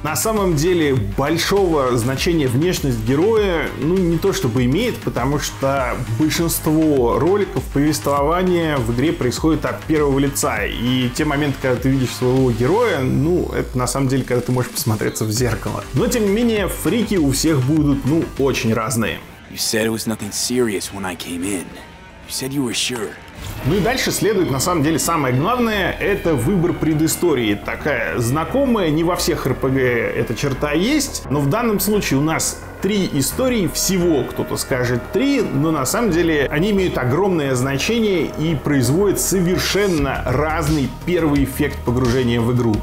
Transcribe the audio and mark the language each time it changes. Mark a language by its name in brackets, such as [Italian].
[Russian] На самом деле, большого значения внешность героя, ну, не то чтобы имеет, потому что большинство роликов повествования в игре происходит от первого лица, и те моменты, когда ты видишь своего героя, ну, это на самом деле, когда ты можешь посмотреться в зеркало. Но, тем не менее, фрики у всех будут, ну, очень разные. [English] You said it was nothing serious when I came in. You said you were sure. [Russian] Ну и дальше следует, на самом деле, самое главное, это выбор предыстории. Такая знакомая, не во всех РПГ эта черта есть, но в данном случае у нас 3 истории всего, кто-то скажет 3, но на самом деле они имеют огромное значение и производят совершенно разный первый эффект погружения в игру.